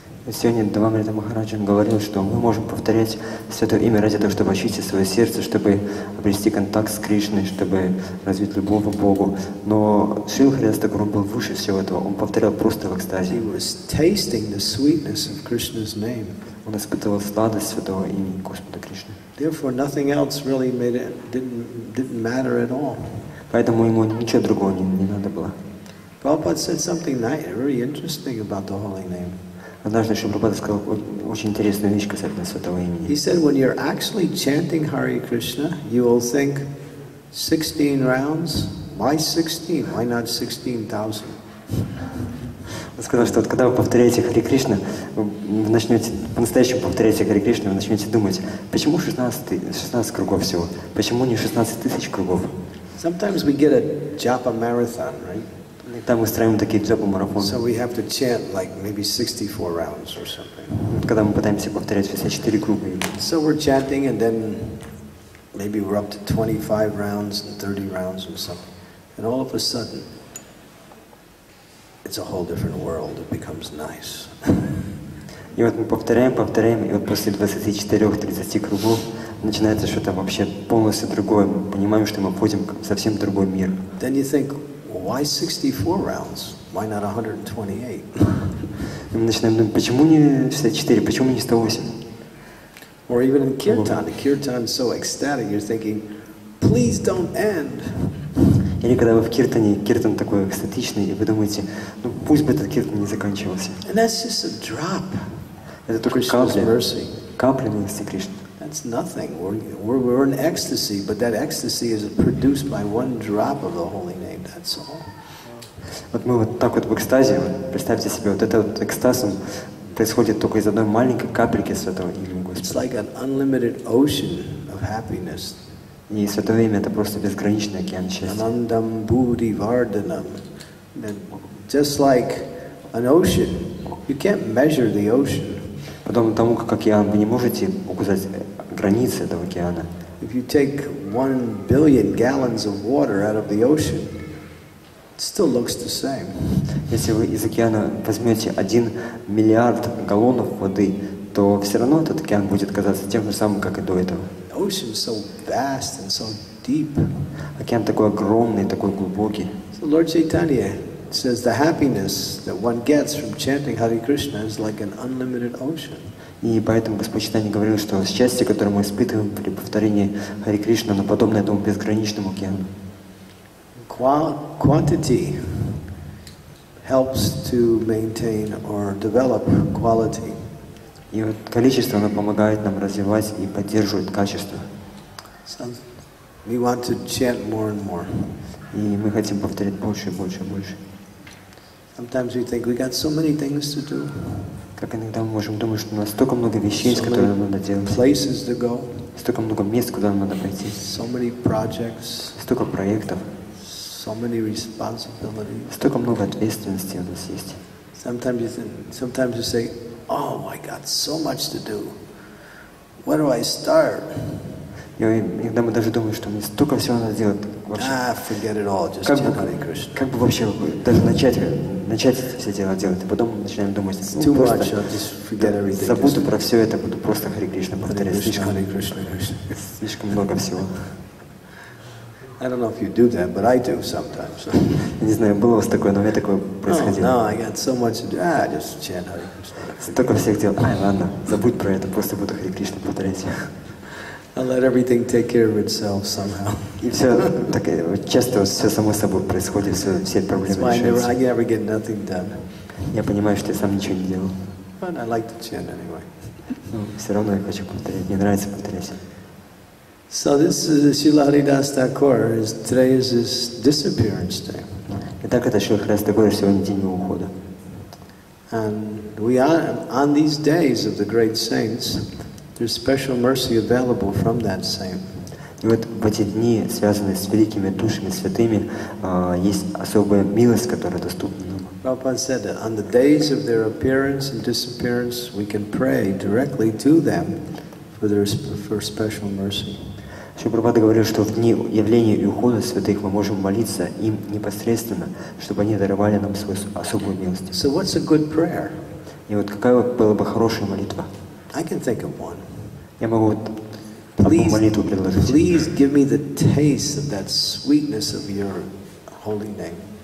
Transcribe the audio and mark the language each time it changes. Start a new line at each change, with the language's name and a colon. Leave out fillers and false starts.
Russian: Сегодня Дамамрита Махараджа говорил, что мы можем повторять святое имя ради того, чтобы очистить свое сердце, чтобы обрести контакт с Кришной, чтобы развить любовь к Богу. Но Шрила Харидас Тхакур был выше всего этого. Он повторял просто в экстазе.
English: He was tasting the sweetness of Krishna's name.
Russian: Он испытывал сладость святого имени Господа Кришны.
English: Therefore, nothing else really didn't matter at all.
Russian: Поэтому ему ничего другого не надо было.
English: Prabhupada said something nice, very interesting about the holy name.
Russian: Однажды Шрила Прабхупада сказал очень интересную вещь касательно святого имени.
English: He said, when you're actually chanting Hare Krishna, you will think 16 rounds. Why 16? Why not 16,000?
Russian: Он сказал, что вот когда вы повторяете Хари Кришна, вы начнете по-настоящему повторяете Хари Кришна, вы начнете думать, почему 16 кругов всего? Почему не 16 тысяч кругов?
English: Sometimes we get a japa marathon, right?
Russian: Там мы устраиваем такие джапа-марафоны.
English: So we have to chant like maybe 64 rounds or something.
Russian: Когда мы пытаемся повторять 64 круга.
English: So we're chanting and then maybe we're up to 25 rounds and 30 rounds or something. And all of a sudden, it's a whole different world. It becomes nice.
Russian: И вот мы повторяем, и вот после 24-30 кругов начинается что-то вообще полностью другое. Мы понимаем, что мы входим в совсем другой мир.
English: Then you think, why 64 rounds? Why not 128?
Russian: Мы начинаем думать, почему не 64, почему не 108?
English: Or even in kirtan. The kirtan is so ecstatic, you're thinking, please don't end.
Russian: Или когда вы в киртане, киртан такой экстатичный, и вы думаете, ну пусть бы этот киртан не заканчивался.
English: And that's just a drop.
Russian: Это только капля милости Кришны.
English: That's nothing. We're in ecstasy, but that ecstasy is produced by one drop of the holy name. That's all.
Russian: Вот мы вот так вот в экстазе. Представьте себе, вот этот экстаз происходит только из одной маленькой капельки святого имени Господа.
English: It's like an unlimited ocean of happiness.
Russian: И святое имя это просто безграничный океан счастья.
Sanskrit: Anandam Bhuti Vardhanam.
English: Just like an ocean, you can't measure the ocean.
Russian: Подобно тому, как океан, вы не можете указать границы этого океана.
English: If you take 1 billion gallons of water out of the ocean, it still looks the same.
Russian: Если вы из океана возьмете 1 миллиард галлонов воды, то все равно этот океан будет казаться тем же самым, как и до этого.
English: The ocean is so vast and so deep.
Russian: Океан такой огромный, такой глубокий.
English: So Lord Chaitanya says the happiness that one gets from chanting Hare Krishna is like an unlimited ocean.
Russian: И поэтому Господь Читания говорил, что счастье, которое мы испытываем при повторении Хари Кришна, оно подобно этому безграничному океану.
English: Quantity helps to maintain or develop quality.
Russian: И вот количество, оно помогает нам развивать и поддерживает качество.
English: So we want to chant more and more.
Russian: И мы хотим повторять больше и больше и больше.
English: Sometimes we think we got so many things to do.
Russian: Как иногда мы можем думать, что у нас столько много вещей, с которыми нам надо делать.
English: Places to go.
Russian: Столько много мест, куда нам надо пойти.
English: So many projects.
Russian: Столько проектов.
English: So many responsibilities.
Russian: Столько много ответственности у нас есть.
English: Sometimes you say, oh, I got so much to do. Where do I start?
Russian: И иногда мы даже думаем, что мне столько всего надо делать.
English: Forget it all, just chant Hare Krishna.
Russian: Как бы вообще даже начать все дело делать, и потом начинаем думать,
English: too much, I'll just forget everything.
Russian: Забуду про все это, буду просто Хари Кришна повторять.
Sanskrit: Hare Krishna, Hare Krishna, Krishna.
Russian: Слишком много всего.
English: I don't know if you do that, but I do sometimes.
Russian: Не знаю, было у вас такое, но у меня такое происходило.
English: No, I got so much to do. Ah, just chant Hare Krishna.
Russian: Столько всех дел. Ай, ладно, забудь про это, просто буду Хари Кришну повторять.
English: I'll let everything take care of itself somehow.
Russian: И все, так часто все само собой происходит, все проблемы решаются.
English: I never get nothing done.
Russian: Я понимаю, что я сам ничего не делал.
English: But I like to chant anyway.
Russian: Ну, все равно я хочу повторять, мне нравится повторять.
English: So this is the Srila Haridas Thakur. Today is his disappearance day.
Russian: Итак, это Шрила Харидас Тхакур, сегодня день его ухода.
English: And we are on these days of the great saints. There's special mercy available from that saint.
Russian: И вот в эти дни, связанные с великими душами святыми, есть особая милость, которая доступна нам.
English: Prabhupada said that on the days of their appearance and disappearance, we can pray directly to them for their for special mercy.
Russian: Шрила Прабхупада говорил, что в дни явления и ухода святых мы можем молиться им непосредственно, чтобы они даровали нам свою особую милость.
English: So what's a good prayer?
Russian: И вот какая была бы хорошая молитва?
English: I can think of one.
Russian: Я могу вот одну молитву предложить.
English: Please give me the taste of that sweetness of your holy name.